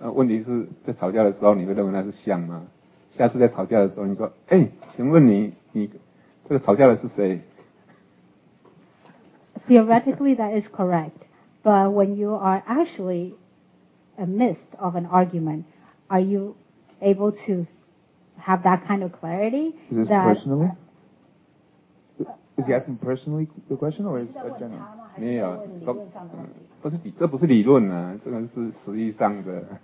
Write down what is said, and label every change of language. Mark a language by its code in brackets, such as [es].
[zh] 问题是在吵架的时候，你会认为那是相吗？下次在吵架的时候，你说，哎，请问你这个吵架的是谁？ [en] Theoretically, that is correct. But when you are actually a midst of an argument, are you able to have that kind of clarity? Is this personal? Is he asking personally the question or is it general? [zh] 没有，不是，这不是理论啊，这个是实际上的。